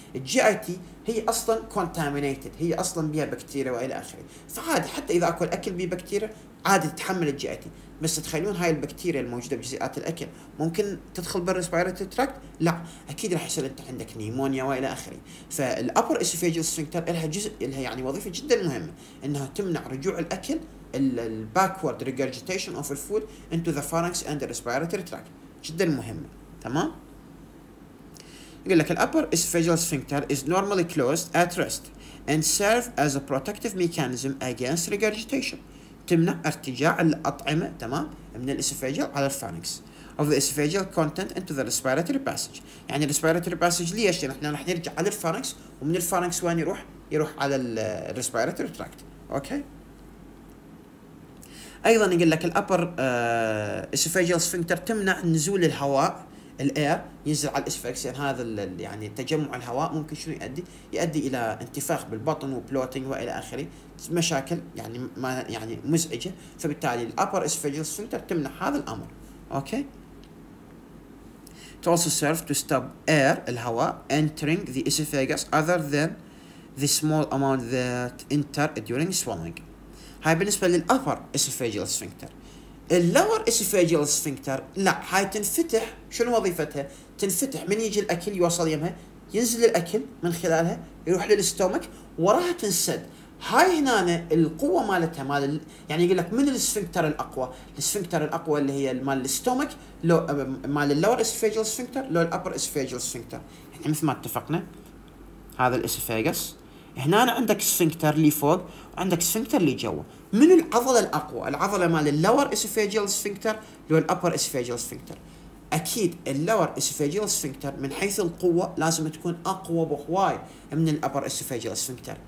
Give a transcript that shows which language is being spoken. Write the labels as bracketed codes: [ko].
[ar] الجي اي تي هي اصلا كونتامينيتد، هي اصلا بيها بكتيريا والى اخره، فعادي حتى اذا اكل اكل بيه بكتيريا عادي تتحمل الجي اي تي، بس تخيلون هاي البكتيريا الموجوده بجزيئات الاكل ممكن تدخل بالريسبيراتوري تراك؟ لا، اكيد راح يصير انت عندك نيمونيا والى اخره. فالابر اسفيجال سفنكتر لها جزء، لها يعني وظيفه جدا مهمه انها تمنع رجوع الاكل [en] الباكورد regurgitation of الفود into the pharynx and respiratory tract, [ar] جدا مهمة. تمام، يقول لك [en] الأبر esophageal sphincter is normally closed at rest and serve as a protective mechanism against regurgitation، [ar] تمنع ارتجاع الأطعمة تمام من الإسفاجيال على الفارنكس، [en] of the esophageal content into the respiratory passage. [ar] يعني [en] respiratory passage [ar] ليش؟ يعني احنا راح نرجع على الفارنكس، ومن الفارنكس وين يروح؟ يروح على الريسبيراتوري تراكت. اوكي، ايضا يقول لك الابر اسفاجيال سفنكتر تمنع نزول الهواء الاير ينزل على الاسفاكس، يعني هذا يعني تجمع الهواء ممكن شنو يؤدي؟ يؤدي الى انتفاخ بالبطن وبلوتينج والى اخره، مشاكل يعني ما يعني مزعجه، فبالتالي الابر اسفاجيال سفنكتر تمنع هذا الامر. [en] Okay, to also serve to stop air الهواء entering the esophagus other than the small amount that enter during swallowing. [ar] هاي بالنسبة للأفر إسفاجيال سفنكتر. اللور إسفاجيال سفنكتر لا، هاي تنفتح، شنو وظيفتها؟ تنفتح من يجي الأكل يوصل يمها، ينزل الأكل من خلالها يروح للستومك وراها تنسد. هاي هنا القوة مالتها مال يعني يقول لك من السفنكتر الأقوى؟ السفنكتر الأقوى اللي هي مال الستومك لو مال اللور إسفاجيال سفنكتر لو الأفر إسفاجيال سفنكتر، يعني مثل ما اتفقنا هذا الإسفاجس، هنا عندك سفنكتر اللي فوق وعندك سفنكتر اللي جوا، من العضله الاقوى؟ العضله مال اللور اسفاجيال سفنكتر لو الابر اسفاجيال سفنكتر؟ اكيد اللور اسفاجيال سفنكتر من حيث القوه لازم تكون اقوى بهواي من الابر اسفاجيال سفنكتر.